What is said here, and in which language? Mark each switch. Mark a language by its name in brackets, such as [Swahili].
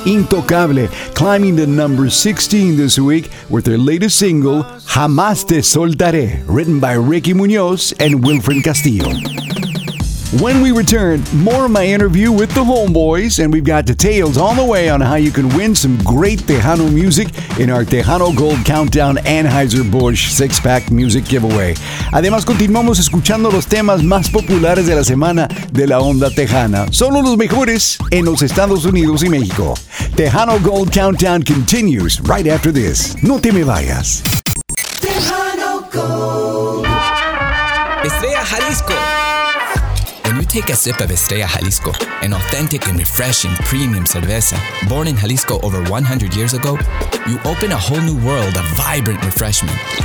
[English] Intocable, climbing the number 16 this week with their latest single, Jamás Te Soltaré, written by Ricky Muñoz and Wilfred Castillo. When we return, more of my interview with the homeboys, and we've got details on the way on how you can win some great Tejano music in our Tejano Gold Countdown Anheuser-Busch six-pack music giveaway. [Spanish] Además, continuamos escuchando los temas más populares de la semana de la onda tejana. Solo los mejores en los Estados Unidos y México. [English] Tejano Gold Countdown continues right after this. [Spanish] No te me vayas. Tejano [English] Gold. Estrella Jalisco. Take a sip of Estrella Jalisco, an authentic and refreshing premium cerveza. Born in Jalisco over 100 years ago, you open a whole new world of vibrant refreshment.